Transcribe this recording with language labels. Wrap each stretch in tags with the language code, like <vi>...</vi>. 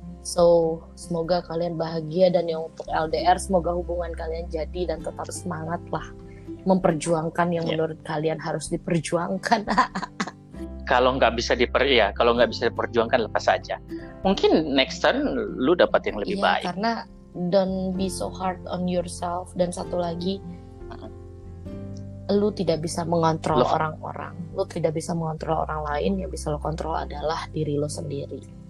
<id>So, semoga kalian bahagia, dan yang untuk LDR semoga hubungan kalian jadi dan tetap semangat lah memperjuangkan yang menurut kalian harus diperjuangkan. Kalau nggak bisa diperjuangkan lepas aja. Mungkin</id> <en>next turn</en> <id>lu dapat yang lebih baik. Karena</id> <en>don't be so hard on yourself.</en> <id>Dan satu lagi, lu tidak bisa mengontrol orang-orang. Lu tidak bisa mengontrol orang lain. Yang bisa lu kontrol adalah diri lu sendiri.</id>